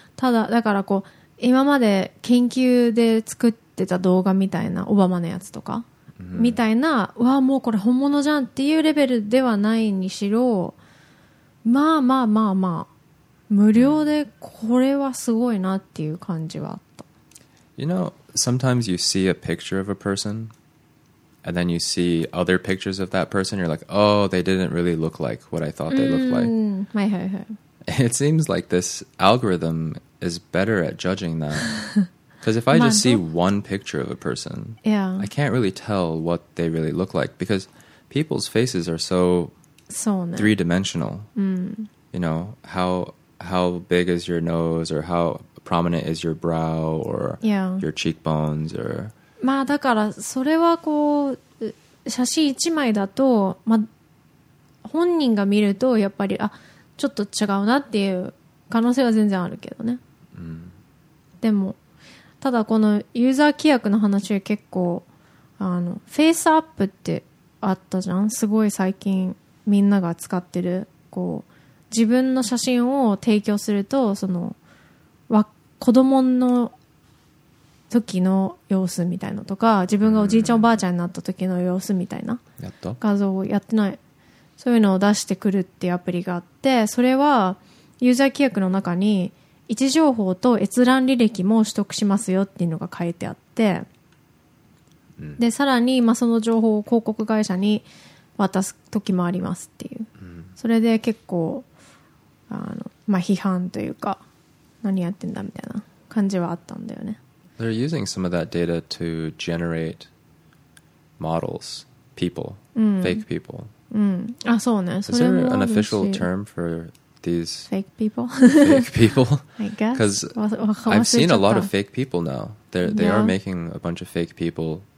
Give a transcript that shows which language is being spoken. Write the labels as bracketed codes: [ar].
[ja] ただだからこう今まで研究で作ってた動画みたいな、オバマのやつとか、うん、みたいな、わあもうこれ本物じゃんっていうレベルではないにしろ、まあまあまあまあ無料でこれはすごいなっていう感じはあった。 [en] You know, sometimes you see a picture of a person and then you see other pictures of that person, you're like, oh, they didn't really look like what I thought they looked like. [ja] はいはいはい。 [en] It seems like this algorithm is better at judging that. Because if I just see one picture of a person, yeah, I can't really tell what they really look like, because people's faces are so, [ja] so、ね、 [en] three-dimensional.、You know, how big is your nose, or how prominent is your brow, or、 yeah. your cheekbones, or... [ja] まあだからそれはこう写真一枚だと、まあ、本人が見るとやっぱりあちょっと違うなっていう可能性は全然あるけどね、うん、でもただこのユーザー規約の話で結構あのフェイスアップってあったじゃん、すごい最近みんなが使ってるこう自分の写真を提供するとその子供の時の様子みたいなとか、自分がおじいちゃんおばあちゃんになった時の様子みたいな、やった画像をやってない、そういうのを出してくるっていうアプリがあって、それはユーザー規約の中に位置情報と閲覧履歴も取得しますよっていうのが書いてあって、うん、でさらに、まあ、その情報を広告会社に渡す時もありますっていう、うん、それで結構あの、まあ、批判というか何やってんだみたいな感じはあったんだよね。 [en] They're using some of that data to generate models, people,、 [ja] うん、 [en] fake people.、 [ja] うん、あ、そうね。 [en] Is there an official term for these fake people? fake people? I guess. Because I've seen a lot of fake people now. They、yeah. are making a bunch of fake people.